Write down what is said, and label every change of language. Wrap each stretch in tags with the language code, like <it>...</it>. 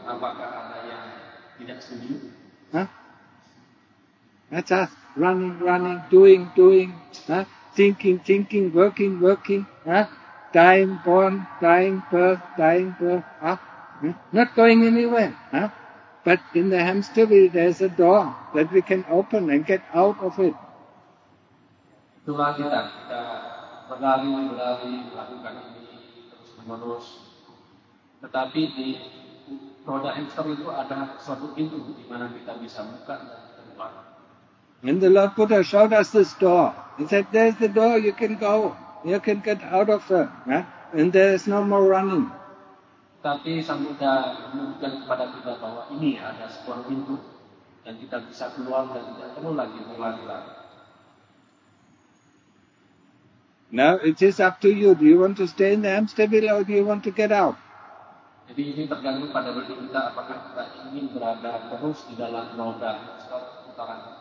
<id>Apakah ada yang tidak setuju? Huh?</id> <en>That's us, running, running, doing, doing, huh? Thinking, thinking, working, working, huh? Dying, born, dying, birth, huh? Not going anywhere, huh? But in the hamster wheel, there's a door that we can open and get out of it.</en> <id>Itulah kita, kita berlari, berlari, melakukan ini terus-menerus. Tetapi di roda hamster itu ada suatu pintu di mana kita bisa buka dan keluar.</id> <en>And the Lord Buddha showed us this door. He said, there's the door, you can go. You can get out of there. Huh? And there is no more running.</en> <id>Tapi Sang Buddha menunjukkan kepada kita bahwa ini ada sebuah pintu. Dan kita bisa keluar dan tidak perlu lagi berlari-lari.</id> <en>Now it is up to you. Do you want to stay in the hamster wheel or do you want to get out?</en> <id>Jadi ini tergantung pada diri kita apakah kita ingin berada terus di dalam roda putaran.</id>